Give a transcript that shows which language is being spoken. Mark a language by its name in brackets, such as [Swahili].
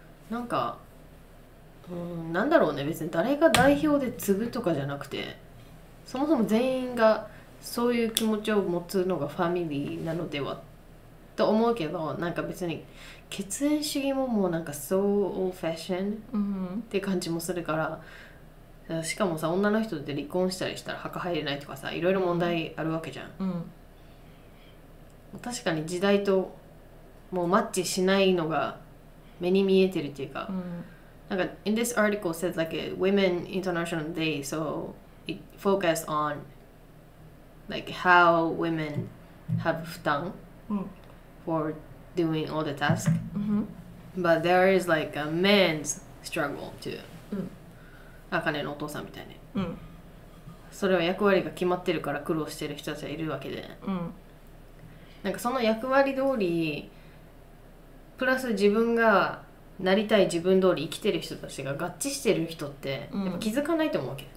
[Japanese] なんか、なんだろうね、別に誰が代表で継ぐとかじゃなくて、そもそも全員がそういう気持ちを持つのがファミリーなのではと思うけど、なんか別に血縁主義ももうなんか [English] so old fashion [Japanese] って感じもするから、しかもさ、女の人で離婚したりしたら墓入れないとかさ、いろいろ問題あるわけじゃん、うん、確かに時代ともうマッチしないのが目に見えてるっていうか、うん、なんか [English] in this article says like Women International Day, so it focus on like how women have 負担、うん、 for doing all the tasks、 mm-hmm. but there is like a man's struggle too、うん、 [Japanese] アカネのお父さんみたいに、うん、それは役割が決まってるから苦労してる人たちがいるわけで、うん、なんかその役割通りプラス自分がなりたい自分通り生きてる人たちが合致してる人ってやっぱ気づかないと思うわけ、